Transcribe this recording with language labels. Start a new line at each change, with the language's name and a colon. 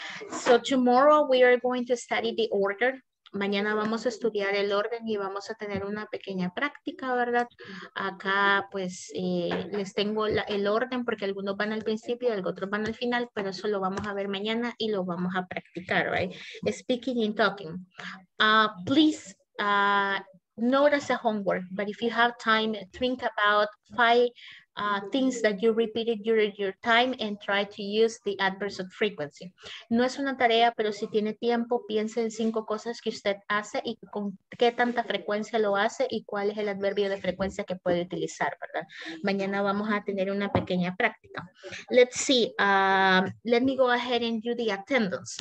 English: So tomorrow we are going to study the order.
Spanish: Mañana vamos a estudiar el orden y vamos a tener una pequeña práctica, ¿verdad? Acá, pues, les tengo el orden porque algunos van al principio y otros van al final, pero eso lo vamos a ver mañana y lo vamos a practicar, ¿right?
English: Speaking and talking. Please, notice a homework, but if you have time, think about 5 things that you repeated during your time and try to use the adverbs of frequency.
Spanish: No es una tarea, pero si tiene tiempo, piense en 5 cosas que usted hace y con qué tanta frecuencia lo hace y cuál es el adverbio de frecuencia que puede utilizar, ¿verdad? Mañana vamos a tener una pequeña práctica.
English: Let's see. Let me go ahead and do the attendance.